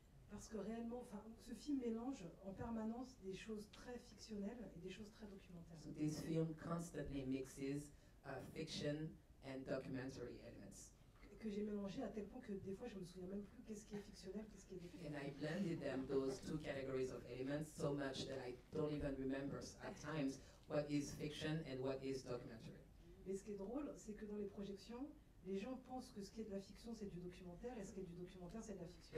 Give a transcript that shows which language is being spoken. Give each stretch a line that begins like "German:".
French: Parce que réellement, enfin, ce film mélange en permanence des choses très fictionnelles et des choses très documentaires.
English: So this film constantly mixes fiction and documentary elements.
French: Que j'ai mélangé à tel point que des fois je me souviens même plus qu'est-ce qui est fictionnel, qu'est-ce qui est des films.
English: And I blended them, those two categories of elements, so much that I don't even remember at times what is fiction and what is documentary.
French: Mais ce qui est drôle, c'est que dans les projections, les gens pensent que ce qui est de la fiction, c'est du documentaire, et ce qui est du documentaire, c'est de la fiction.